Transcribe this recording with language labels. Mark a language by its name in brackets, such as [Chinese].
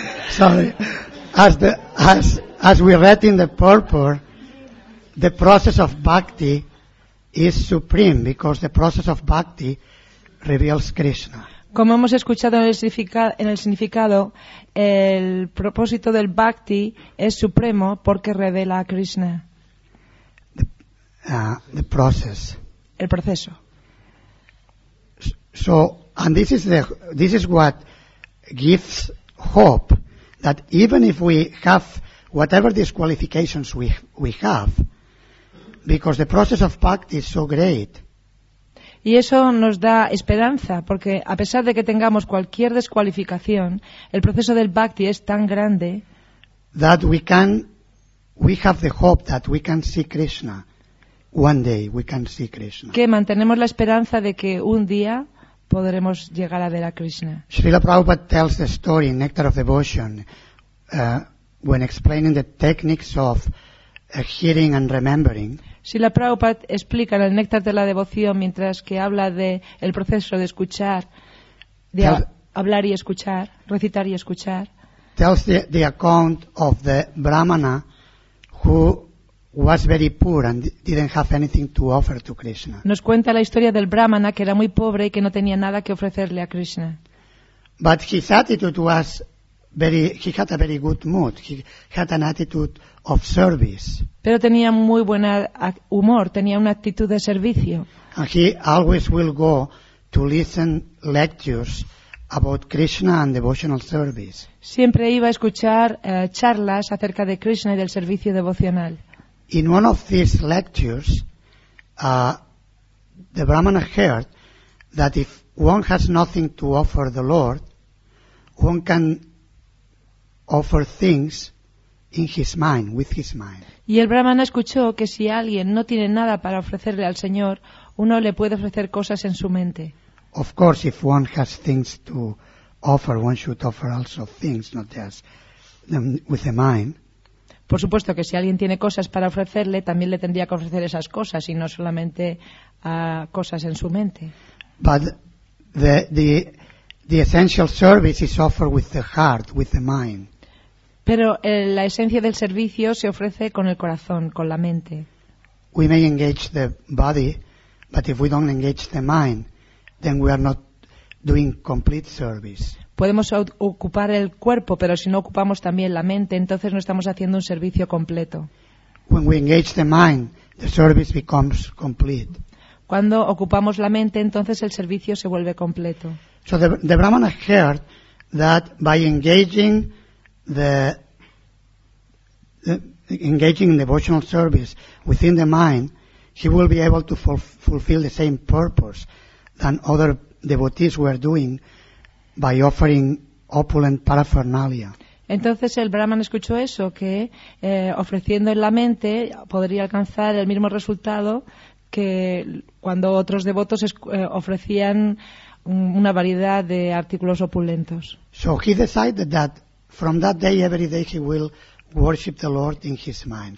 [English] Sorry. As we read in the purport, the process of bhakti is supreme because the process of bhakti reveals Krishna. [Spanish] Como hemos escuchado en el significado, el propósito del bhakti es supremo porque revela a Krishna. [English] The process. [Spanish] El proceso. [English] So, and this is what gives hope that even if we have whatever disqualifications we have, because the process of bhakti is so great. [Spanish] Y eso nos da esperanza, porque a pesar de que tengamos cualquier descualificación, el proceso del bhakti es tan grande. [English] That we have the hope that we can see Krishna. one day we can see Krishna. [Spanish] Que mantenemos la esperanza de que un día podremos llegar a ver a Krishna. [English] Srila Prabhupada tells the story in Nectar of Devotion when explaining the techniques of hearing and remembering. [Spanish] Srila Prabhupada explica en el Néctar de la Devoción, mientras que habla de el proceso de escuchar, de hablar y escuchar, recitar y escuchar. [English] Tells the account of the Brahmana who was very poor and didn't have anything to offer to Krishna. [Spanish] Nos cuenta la historia del Brahmana que era muy pobre y que no tenía nada que ofrecerle a Krishna. [English] But his attitude was very, he had a very good mood. He had an attitude of service. [Spanish] Pero tenía muy buen humor, tenía una actitud de servicio. [English] And he always will go to listen lectures about Krishna and devotional service. [Spanish] Siempre iba a escuchar charlas acerca de Krishna y del servicio devocional. [English] In one of these lectures, the Brahmana heard that if one has nothing to offer the Lord, one can offer things in his mind, with his mind. [Spanish] Y el Brahmana escuchó que si alguien no tiene nada para ofrecerle al Señor, uno le puede ofrecer cosas en su mente. [English] Of course, if one has things to offer, one should offer also things, not just them with the mind. [Spanish] Por supuesto que si alguien tiene cosas para ofrecerle, también le tendría que ofrecer esas cosas y no solamente cosas en su mente. [English] But the essential service is offered with the heart, with the mind. [Spanish] Pero la esencia del servicio se ofrece con el corazón, con la mente. [English] We may engage the body, but if we don't engage the mind, then we are not doing complete service. [Spanish] Podemos ocupar el cuerpo, pero si no ocupamos también la mente, entonces no estamos haciendo un servicio completo. [English] When we engage the mind, the service becomes complete. [Spanish] Cuando ocupamos la mente, entonces el servicio se vuelve completo. [English] So the Brahmana heard that by engaging devotional service within the mind, he will be able to fulfill the same purpose than other devotees were doing by offering opulent paraphernalia. [Spanish] Entonces el Brahman escuchó eso, que ofreciendo en la mente podría alcanzar el mismo resultado que cuando otros devotos ofrecían una variedad de artículos opulentos. [English] So he decided that from that day every day he will worship the Lord in his mind.